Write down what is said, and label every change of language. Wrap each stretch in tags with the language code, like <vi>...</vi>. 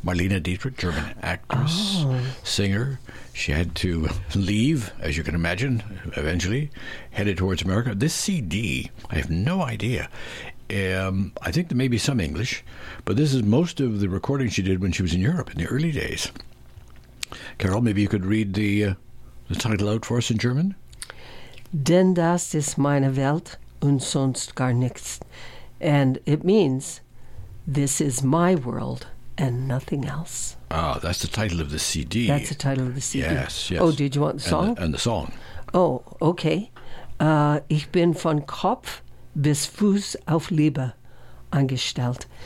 <en>Marlene Dietrich, German actress, singer. She had to leave, as you can imagine, eventually, headed towards America. This CD, I have no idea. I think there may be some English, but this is most of the recording she did when she was in Europe in the early days. Carol, maybe you could read the title out for us in German?</en> <de>Denn das ist meine Welt und sonst gar nichts.</de> <en>And it means, this is my world and nothing else. Ah, that's the title of the CD. That's the title of the CD. Yes, yes. Oh, did you want the song? And the song. Oh, okay.</en> <de>Ich bin von Kopf bis Fuß auf Liebe angestellt.</de>